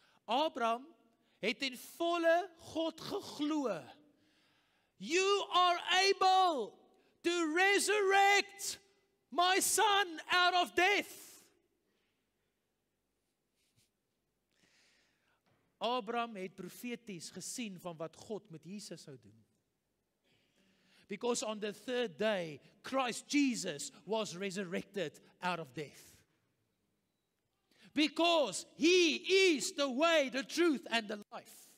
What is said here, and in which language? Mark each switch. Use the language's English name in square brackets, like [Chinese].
[Afrikaans] Abraham het in volle God geglo. [English] You are able to resurrect my son out of death. [Afrikaans] Abraham het profeties gesien van wat God met Jesus sou doen. [English] Because on the third day, Christ Jesus was resurrected out of death. Because he is the way, the truth and the life.